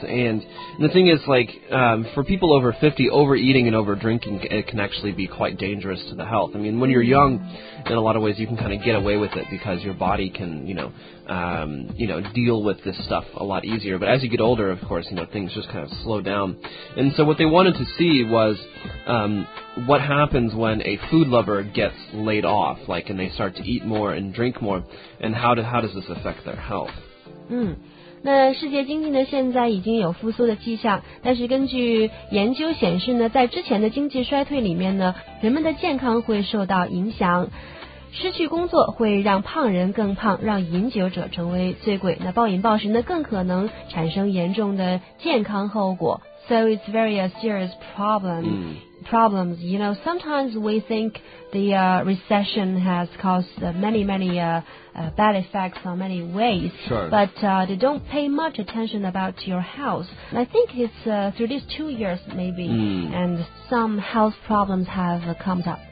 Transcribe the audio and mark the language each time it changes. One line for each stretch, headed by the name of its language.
English: And the thing is, like, for people over 50, overeating and over drinking, it can actually be quite dangerous to the health. I mean, when you're young, in a lot of ways, you can kind of get away with it because your body can, you know, deal with this stuff a lot easier. But as you get older, of course, you know, things just kind of slow down. And so what they wanted to see was what happens when a food lover gets laid off, like, and they start to eat more and drink more, and how does this affect their health?
Chinese: 那世界经济呢，现在已经有复苏的迹象，但是根据研究显示呢，在之前的经济衰退里面呢，人们的健康会受到影响，失去工作会让胖人更胖，让饮酒者成为醉鬼，那暴饮暴食呢，更可能产生严重的健康后果。
English: So it's very a serious problem. Problems, you know, sometimes we think the recession has caused many bad effects on many ways. Sure. But they don't pay much attention about your health. And I think it's through these 2 years maybe, and some health problems have come up.